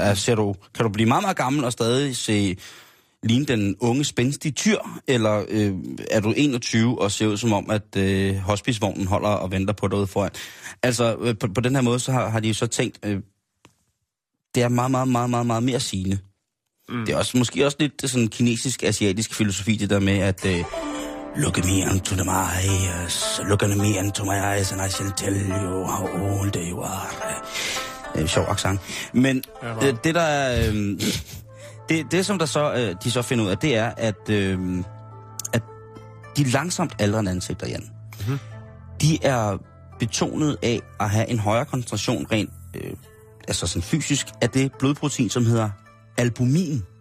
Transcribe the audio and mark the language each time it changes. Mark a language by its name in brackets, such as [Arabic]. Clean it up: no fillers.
[Danish] Altså, kan du blive meget, meget gammel og stadig se ligne den unge, spændstige tyr, eller er du 21 og ser ud som om, at hospicevognen holder og venter på dig ude foran? Altså, på den her måde, så har de jo så tænkt, det er meget, meget, meget, meget, meget mere sigende. Mm. Det er også måske også lidt sådan kinesisk-asiatisk filosofi, det der med, at... [English] Look at me into the eyes, look at me into my eyes, and I shall tell you how old you are. [Danish] Sjov accent. Men det der er, det som der så de så finder ud af, det er at de langsomt aldrende ansigter, Jan, de er betonet af at have en højere koncentration rent altså sådan fysisk af det blodprotein, som hedder albumin.